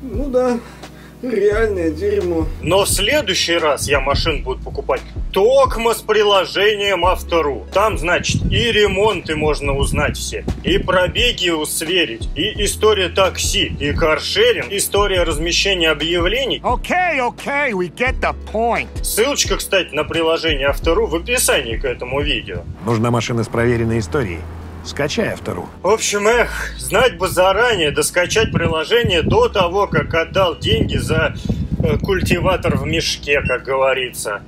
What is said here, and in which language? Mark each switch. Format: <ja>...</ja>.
<ru>Ну да, реальное дерьмо. Но в следующий раз я машину буду покупать токмо с приложением автору. Там, значит, и ремонты можно узнать все, и пробеги сверить, и история такси, и каршеринг, история размещения объявлений. Окей, окей,</ru> <en>we get the point.</en> <ru>Ссылочка, кстати, на приложение автору в описании к этому видео. Нужна машина с проверенной историей. Скачай автору. В общем, знать бы заранее, да скачать приложение до того, как отдал деньги за культиватор в мешке, как говорится.</ru>